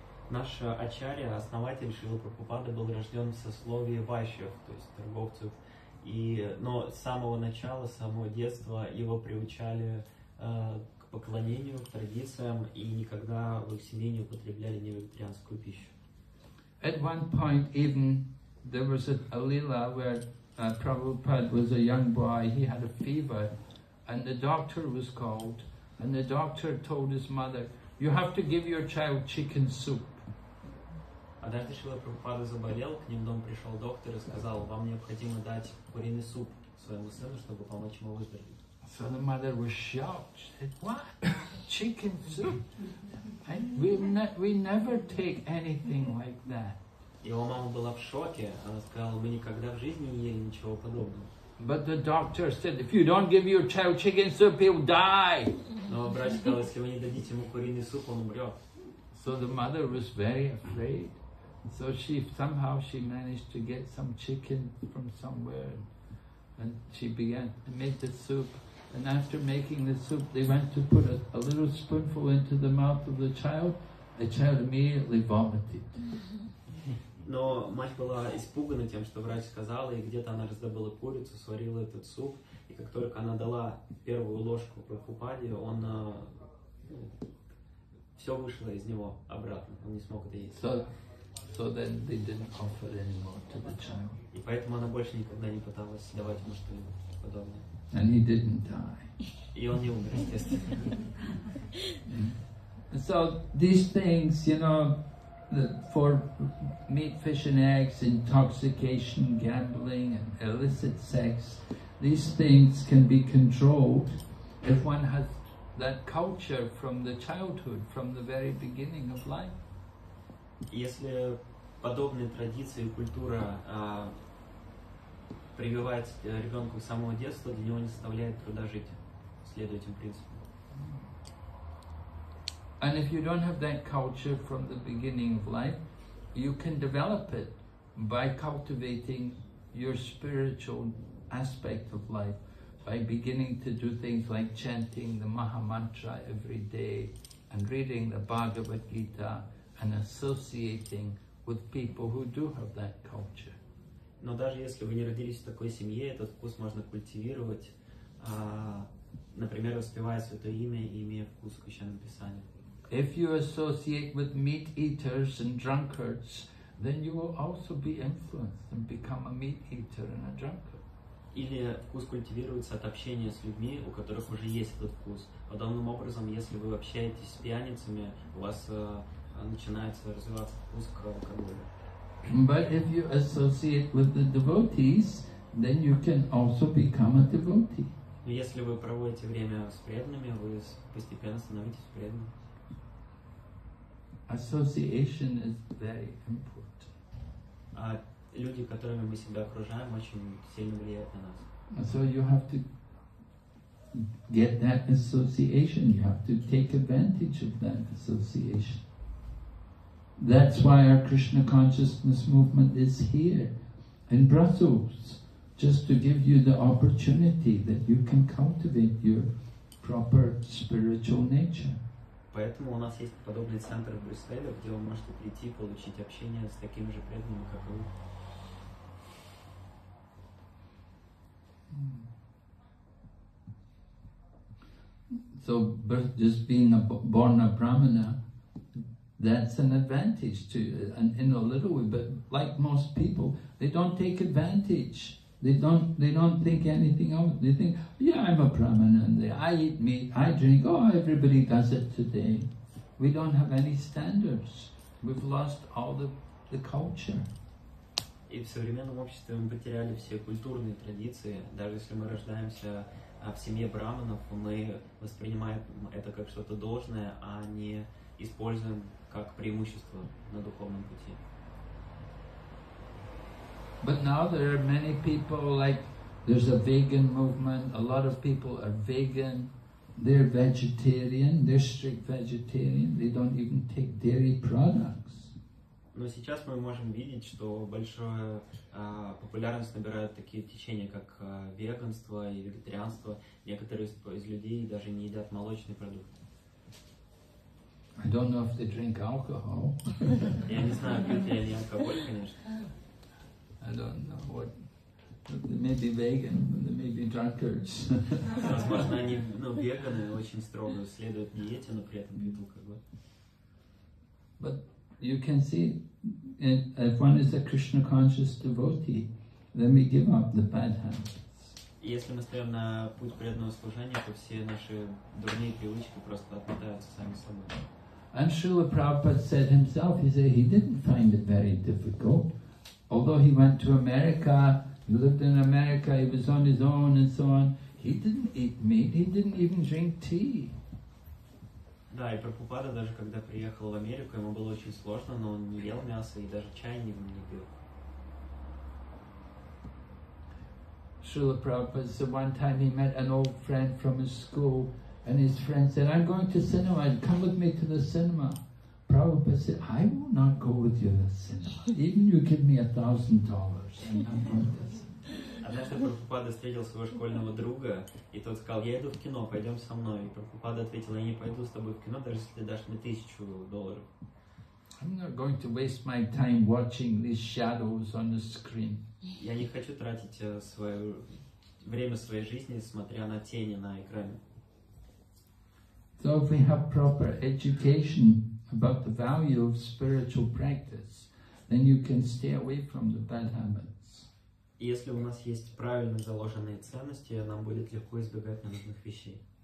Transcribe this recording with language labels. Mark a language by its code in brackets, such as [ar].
[ru] Наш Ачарья, основатель Шрилы Прабхупады, был рожден в сословии вайшьев, то есть торговцев. Но с самого начала, с самого детства его приучали к поклонению, к традициям, и никогда в их семье не употребляли невегетарианскую пищу. [en] At one point even there was a lila where Prabhupada was a young boy, he had a fever, and the doctor was called, and the doctor told his mother, you have to give your child chicken soup. [ru] Однажды Шрила Прабхупада заболел, к ним в дом пришел доктор и сказал, вам необходимо дать куриный суп своему сыну, чтобы помочь ему выздороветь. [en] So the mother was shocked. She said, what? Chicken soup? We never take anything like that. [ru] Его мама была в шоке. Она сказала, мы никогда в жизни не ели ничего подобного. [en] But the doctor said, if you don't give your child chicken soup, he'll die. [ru] Но врач сказал, если вы не дадите ему куриный суп, он умрет. [en] So the mother was very afraid. So somehow she managed to get some chicken from somewhere, and she began to make the soup. And after making the soup, they went to put a little spoonful into the mouth of the child. The child immediately vomited. [ru] Но мать была испугана тем, что врач сказал, и где-то она раздобыла курицу, сварила этот суп, и как только она дала первую ложку Прабхупаде, он все вышло из него обратно. Он не смог это есть. [en] So then they didn't offer anymore to the child. [ru] И поэтому она больше никогда не пыталась давать ему что-нибудь подобное. [en] And he didn't die. [ru] И он не умер, естественно. [en] So these things, you know, for meat, fish and eggs, intoxication, gambling, and illicit sex, these things can be controlled if one has that culture from the childhood, from the very beginning of life. [ru] Если подобные традиции и культура прививают ребенку с самого детства, для него не составляет труда жить, следуя этим принципам. [en] And if you don't have that culture from the beginning of life, you can develop it by cultivating your spiritual aspect of life, by beginning to do things like chanting the Maha Mantra every day and reading the Bhagavad Gita, and associating with people who do have that culture. [ru] Но даже если вы не родились в такой семье, этот вкус можно культивировать, например, воспевая Святое Имя и имея вкус к Священному Писанию. [en] If you associate with meat eaters and drunkards, then you will also be influenced and become a meat eater and a drunkard. [ru] Или вкус культивируется от общения с людьми, у которых уже есть этот вкус. Подобным образом, если вы общаетесь с пьяницами, у вас начинается развиваться вкус к алкоголю. [en] But if you associate with the devotees, then you can also become a devotee. [ru] Но если вы проводите время с преданными, вы постепенно становитесь преданным. [en] Association is very important. [ru] А люди, которыми мы себя окружаем, очень сильно влияют на нас. [en] So you have to get that association. You have to take advantage of that association. That's why our Krishna consciousness movement is here in Brussels, just to give you the opportunity that you can cultivate your proper spiritual nature. [ru] Поэтому у нас есть подобный центр в Брюсселе, где вы можете прийти и получить общение с такими же преданными, как вы. [en] So, just being a born a brahmana, that's an advantage to in a little way. But like most people, they don't take advantage. They don't think anything of it. They think, yeah, I'm a brahmana. I eat meat. I drink. Oh, everybody does it today. We don't have any standards. We've lost all the culture. [ru] И в современном обществе мы потеряли все культурные традиции. Даже если мы рождаемся в семье браманов, мы воспринимаем это как что-то должное, а не используем как преимущество на духовном пути. [en] But now there are many people, like there's a vegan movement, a lot of people are vegan, they're vegetarian, they're strict vegetarian, they don't even take dairy products. [ru] Но сейчас мы можем видеть, что большую популярность набирают такие течения, как веганство и вегетарианство. Некоторые из людей даже не едят молочный продукт. [en] I don't know if they drink alcohol. [ru] Я не знаю, пьют ли они алкоголь, конечно. [en] I don't know what. They may be vegan. They may be drunkards. [ru] Возможно, они, ну, веганы, очень строго следуют диете, но при этом пьют алкоголь. [en] But you can see, if one is a Krishna conscious devotee, then we give up the bad habits. [ru] Если мы стоим на путь преданного служения, то все наши дурные привычки просто отметаются сами собой. [en] And Srila Prabhupada said himself, he said he didn't find it very difficult. Although he went to America, he lived in America, he was on his own and so on. He didn't eat meat, he didn't even drink tea. [ru] Да, и Прабхупада даже когда приехал в Америку, ему было очень сложно, но он не ел мясо и даже чай не пил. [en] Srila Prabhupada said one time he met an old friend from his school, and his friend said, I'm going to cinema, come with me to the cinema. Prabhupada said, I will not go with you to the cinema. Even you give me $1,000, I'm not going to the cinema. [ru] Однажды Прабхупада встретил своего школьного друга, и тот сказал, я иду в кино, пойдем со мной. И Прабхупада ответил, я не пойду с тобой в кино, даже если ты дашь мне $1,000. [en] I'm not going to waste my time watching these shadows on the screen. [ru] Я не хочу тратить свое время своей жизни, смотря на тени на экране. [en] So if we have proper education about the value of spiritual practice, then you can stay away from the bad habits. [ru] Если у нас есть правильно заложенные ценности, нам будет легко избегать ненужных вещей.